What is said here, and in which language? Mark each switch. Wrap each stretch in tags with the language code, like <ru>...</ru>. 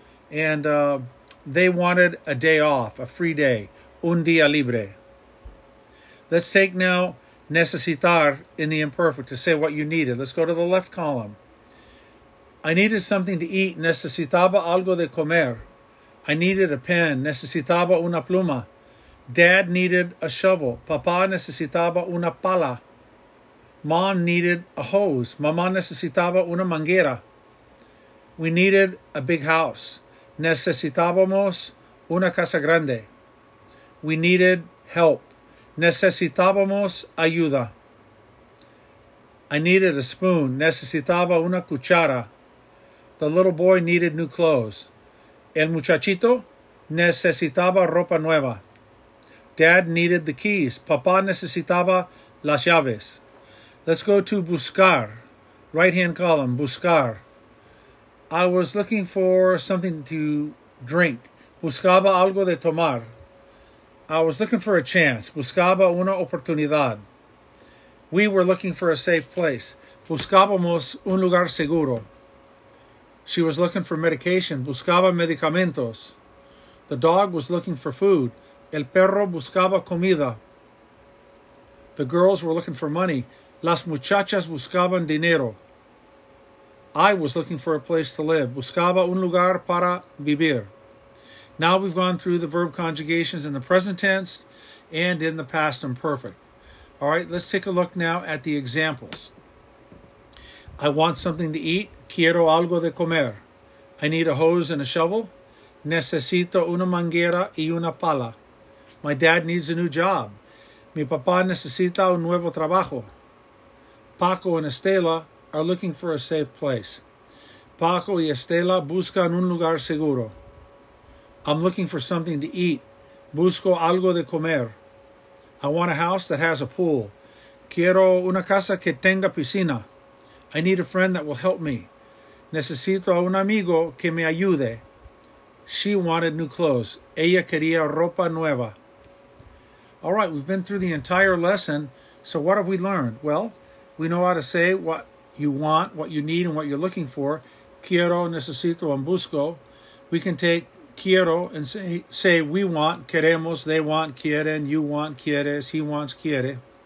<en>And they wanted a day off, a free day.</en> <es>Un día libre.</es> <en>Let's take now necesitar in the imperfect to say what you needed. Let's go to the left column. I needed something to eat.</en> <es>Necesitaba algo de comer.</es> <en>I needed a pen.</en> <es>Necesitaba una pluma.</es> <en>Dad needed a shovel.</en> <es>Papá necesitaba una pala.</es> <en>Mom needed a hose.</en> <es>Mamá necesitaba una manguera.</es> <en>We needed a big house.</en> <es>Necesitábamos una casa grande.</es> <en>We needed help.</en> <es>Necesitábamos ayuda.</es> <en>I needed a spoon.</en> <es>Necesitaba una cuchara.</es> <en>The little boy needed new clothes.</en> <es>El muchachito necesitaba ropa nueva.</es> <en>Dad needed the keys.</en> <es>Papá necesitaba las llaves.</es> <en>Let's go to buscar. Right-hand column, buscar. I was looking for something to drink.</en> <es>Buscaba algo de tomar.</es> <en>I was looking for a chance.</en> <es>Buscaba una oportunidad.</es> <en>We were looking for a safe place.</en> <es>Buscábamos un lugar seguro.</es> <en>She was looking for medication.</en> <es>Buscaba medicamentos.</es> <en>The dog was looking for food.</en> <es>El perro buscaba comida.</es> <en>The girls were looking for money.</en> <es>Las muchachas buscaban dinero.</es> <en>I was looking for a place to live.</en> <es>Buscaba un lugar para vivir.</es> <en>Now we've gone through the verb conjugations in the present tense and in the past imperfect. All right, let's take a look now at the examples. I want something to eat.</en> <es>Quiero algo de comer.</es> <en>I need a hose and a shovel.</en> <es>Necesito una manguera y una pala.</es> <en>My dad needs a new job.</en> <es>Mi papá necesita un nuevo trabajo.</es> <en>Paco and Estela are looking for a safe place.</en> <es>Paco y Estela buscan un lugar seguro.</es> <en>I'm looking for something to eat.</en> <es>Busco algo de comer.</es> <en>I want a house that has a pool.</en> <es>Quiero una casa que tenga piscina.</es> <en>I need a friend that will help me.</en> <es>Necesito a un amigo que me ayude.</es> <en>She wanted new clothes. Ella quería ropa nueva. All right, we've been through the entire lesson. So what have we learned? Well, we know how to say what you want, what you need, and what you're looking for. Quiero, necesito, and busco. We can take quiero and say we want, queremos, they want, quieren, you want, quieres, he wants, quiere.</en>